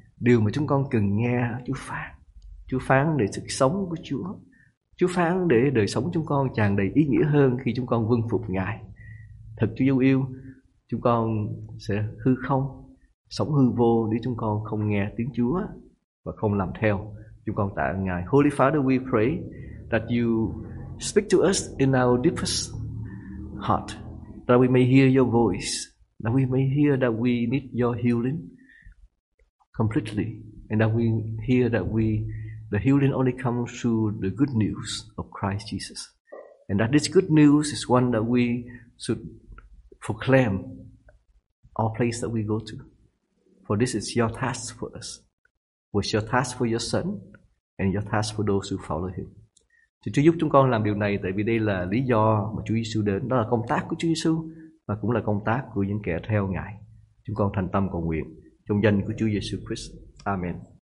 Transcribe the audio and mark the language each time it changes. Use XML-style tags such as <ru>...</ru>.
<vi>Điều mà chúng con cần nghe Chúa phán. Chúa phán để sự sống của Chúa. Chúa phán để đời sống chúng con tràn đầy ý nghĩa hơn khi chúng con vâng phục Ngài. Thật Chúa yêu, chúng con sẽ hư không, sống hư vô nếu chúng con không nghe tiếng Chúa và không làm theo. Chúng con tạ ơn Ngài.</vi> <en>Holy Father, we pray that you speak to us in our deepest heart, that we may hear your voice, that we may hear that we need your healing completely, and that we hear that we the healing only comes through the good news of Christ Jesus, and that this good news is one that we should proclaim all place that we go to, for this is your task for us, was your task for your son, and your task for those who follow him.</en> <vi>Thì Chúa giúp chúng con làm điều này, tại vì đây là lý do mà Chúa Giêsu đến, đó là công tác của Chúa Giêsu và cũng là công tác của những kẻ theo Ngài. Chúng con thành tâm cầu nguyện trong danh của Chúa Giêsu Christ. Amen.</vi>